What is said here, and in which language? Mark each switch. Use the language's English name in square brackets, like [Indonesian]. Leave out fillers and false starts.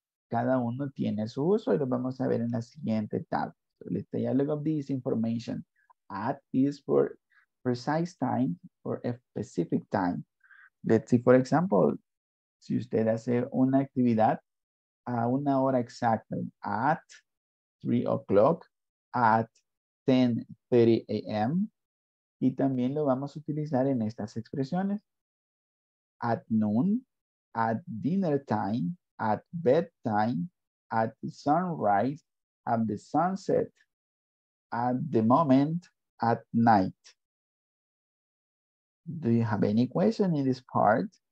[Spanish] Cada uno tiene su uso y lo vamos a ver en la siguiente tab. [English] So let's take a look at this information. At is for precise time or a specific time. [Spanish] Let's see, for example, si usted hace una actividad a una hora exacta, at 3 o'clock, at 10:30 a.m., y también lo vamos a utilizar en estas expresiones. [English] At noon, at dinner time, at bedtime, at sunrise, at the sunset, at the moment, at night. Do you have any question in this part?